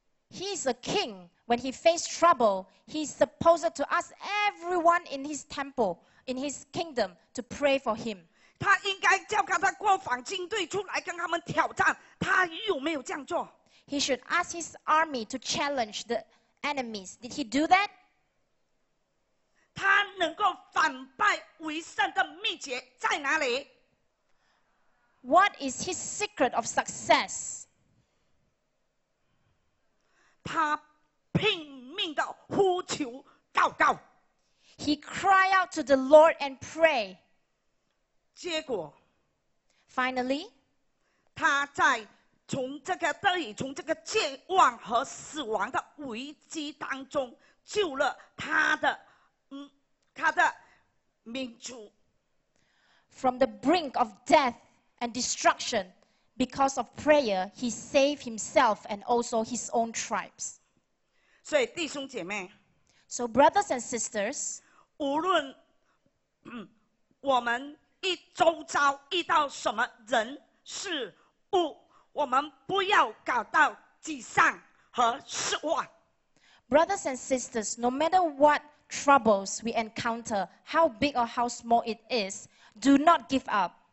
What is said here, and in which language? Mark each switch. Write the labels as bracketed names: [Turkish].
[English] ？He is a king. When he faced trouble, he is supposed to ask everyone in his temple, in his kingdom, to pray for him. [Chinese] 他应该叫他的国防军队出来跟他们挑战，他有没有这样做 [English] ？He should ask his army to challenge the enemies. Did he do that? [Chinese] 他能够反败为胜的秘诀在哪里 [English] ？What is his secret of success？ [Chinese] 他拼命的呼求祷告。 [English] He cry out to the Lord and pray。 [Chinese] 结果 [English] ，Finally， [Chinese] 他在从这个得以从这个绝望和死亡的危机当中救了他的。他的民族 [English] from the brink of death and destruction, because of prayer, he saved himself and also his own tribes. [Chinese] 所以弟兄姐妹 [English] ，so brothers and sisters, [Chinese] 无论我们一周遭遇到什么人事物，我们不要感到沮丧和失望。 [English] Brothers and sisters, no matter what. Troubles we encounter, how big or how small it is, do not give up.